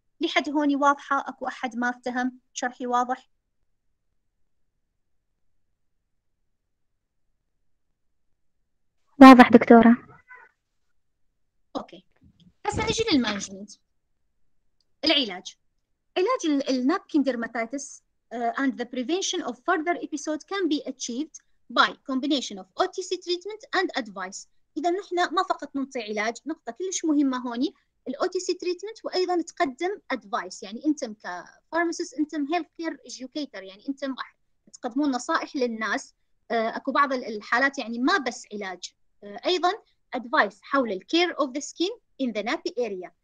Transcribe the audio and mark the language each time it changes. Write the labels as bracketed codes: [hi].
[ar] لحد هوني واضحة؟ أكو أحد ما افتهم؟ شرحي واضح؟ واضح دكتورة. أوكي هسا نجي للمانجمنت، العلاج. علاج النابكين ديرماتيتس [en] and the prevention of further episode can be achieved by combination of OTC treatment and advice. [ar] إذا نحن ما فقط ننطي علاج، نقطة كلش مهمة هوني الـ OTC treatment، وأيضا تقدم advice، يعني أنتم كـ pharmacist أنتم healthcare educator، يعني أنتم تقدمون نصائح للناس. أكو بعض الحالات يعني ما بس علاج، أيضا advice حول الـ [en] care of the skin in the nappy area.